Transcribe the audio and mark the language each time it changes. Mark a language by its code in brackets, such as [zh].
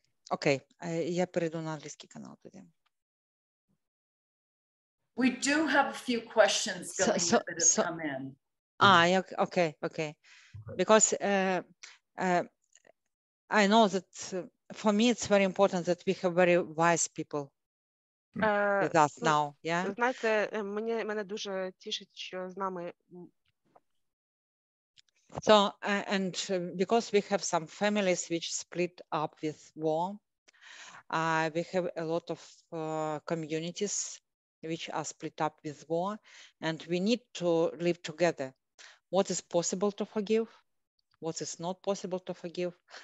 [uk] Окей, я перейду на англійський канал тоді. [en] We do have a few questions that have come in. Okay. Because I know that for me, it's very important that we have very wise people with us now. Yeah. [uk] Знаєте, мене дуже тішить, що з нами. [en] So and because we have some families which split up with war, we have a lot of communities which are split up with war, and we need to live together. What is possible to forgive? What is not possible to forgive?